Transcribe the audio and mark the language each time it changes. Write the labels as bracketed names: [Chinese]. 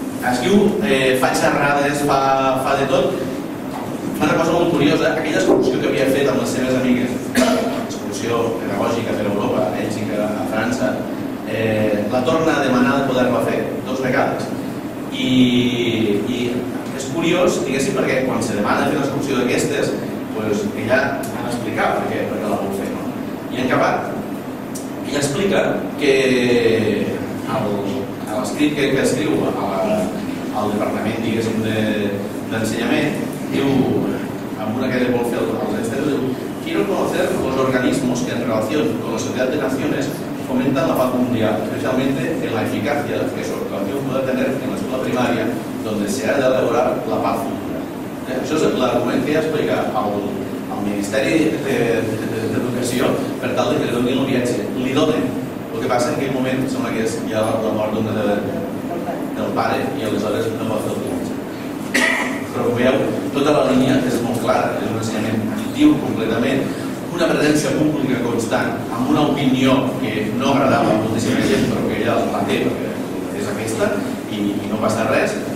[Catalan] Escriu, fa xerrades, fa de tot. Una cosa molt curiosa, aquella excursió que havia fet amb les seves amigues, excursió pedagògica per Europa, a Bèlgica, a França, la torna a demanar de poder-la fer dos vegades. I és curiós, diguéssim, perquè quan se demana fer una excursió d'aquestes, doncs ella ha d'explicar per què la vol fer, no? I en acabat, ella explica que a l'escrit que escriu al Departament, diguéssim, d'Ensenyament, diu, amb una que ella vol fer als estats, diu, [Spanish] quiero conocer los organismos que en relación con la sociedad de naciones fomentan la paz mundial, especialmente en la eficacia que su actuación puede tener en la escuela primaria, donde se ha de elaborar la paz mundial. [Catalan] Això és l'argument que ja explica al Ministeri d'Educació per tal que li donin el viatge. Li donen. El que passa en aquell moment sembla que hi ha la mort del pare i aleshores no pot fer el viatge. Però com veieu, tota la línia és molt clara, és un ensenyament actiu completament, una presència pública constant, amb una opinió que no agradava a moltíssima gent, però que ella la té perquè és aquesta i no passa res.